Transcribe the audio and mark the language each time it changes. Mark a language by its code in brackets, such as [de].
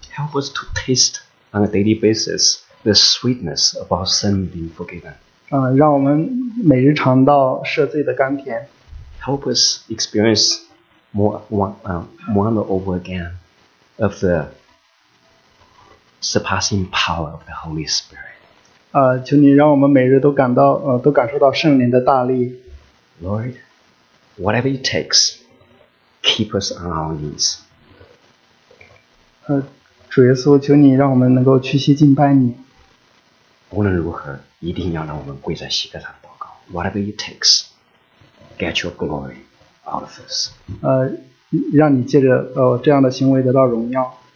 [en] Help us to taste on a daily basis the sweetness of our sin being forgiven. [zh] 让我们每日尝到赦罪的甘甜。 [en] Help us experience more and over again of the surpassing power of the Holy Spirit. [zh] 求你让我们每日都感到都感受到圣灵的大力。 [en] Lord, whatever it takes. Keep us on our knees. [zh] 主耶稣，求你让我们能够屈膝敬拜你。无论如何，一定要让我们跪在膝盖上祷告。 [en] Whatever it takes, get your glory out of us. [zh] 让你借着这样的行为得到荣耀。